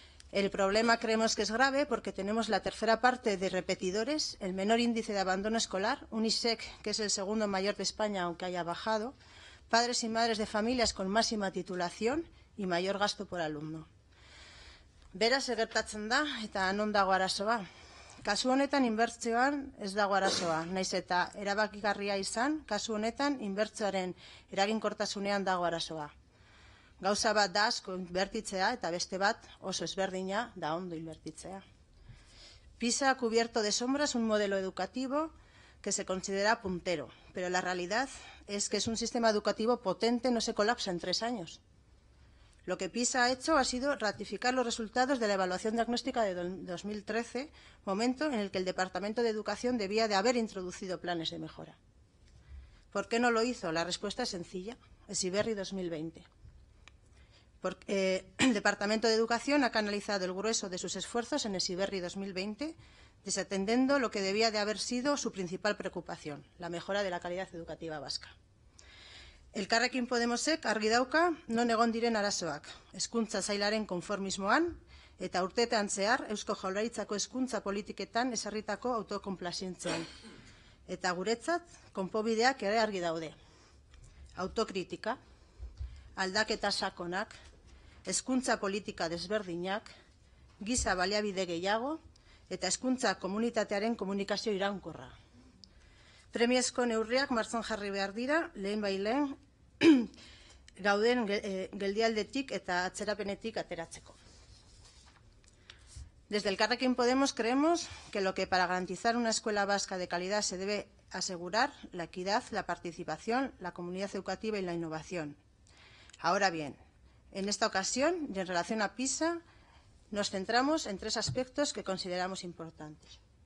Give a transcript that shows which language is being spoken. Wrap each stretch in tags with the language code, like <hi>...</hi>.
<es>El problema creemos que es grave porque tenemos la tercera parte de repetidores, el menor índice de abandono escolar, un ISEC que es el segundo mayor de España aunque haya bajado, padres y madres de familias con máxima titulación y mayor gasto por alumno.</es> <eu>Beraz, gertatzen da, eta non dago arazoa. Kasu honetan, inbertsioan ez dago arazoa. Naiz eta erabakigarria izan, kasu honetan, inbertsioaren eraginkortasunean dago arazoa. Gauza bat da asko inbertitzea, eta beste bat oso ezberdina da ondo inbertitzea.</eu> <es>PISA ha cubierto de sombras un modelo educativo que se considera puntero, pero la realidad es que es un sistema educativo potente, no se colapsa en tres años. Lo que PISA ha hecho ha sido ratificar los resultados de la evaluación diagnóstica de 2013, momento en el que el Departamento de Educación debía de haber introducido planes de mejora. ¿Por qué no lo hizo? La respuesta es sencilla, Heziberri 2020. Porque el Departamento de Educación ha canalizado el grueso de sus esfuerzos en Heziberri 2020, desatendiendo lo que debía de haber sido su principal preocupación, la mejora de la calidad educativa vasca.</es> <eu>Elkarrekin Podemosek argi dauka non egon diren arazoak, hezkuntza sailaren konformismoan eta urteetan zehar Eusko Jaurlaritzako hezkuntza politiketan ezarritako autokonplazientzian. Eta guretzat, konpobideak ere argi daude. Autokritika, aldaketa sakonak, hezkuntza politika desberdinak, giza baliabide gehiago eta hezkuntza komunitatearen komunikazio iraunkorra. Premiezko neurriak martxan jarri behar dira, lehen bai lehen, gauden geldialdetik eta atzerapenetik ateratzeko.</eu> <es>Desde Elkarrekin Podemos creemos que lo que para garantizar una escuela vasca de calidad se debe asegurar la equidad, la participación, la comunidad educativa y la innovación. Ahora bien, en esta ocasión y en relación a PISA, nos centramos en tres aspectos que consideramos importantes.</es>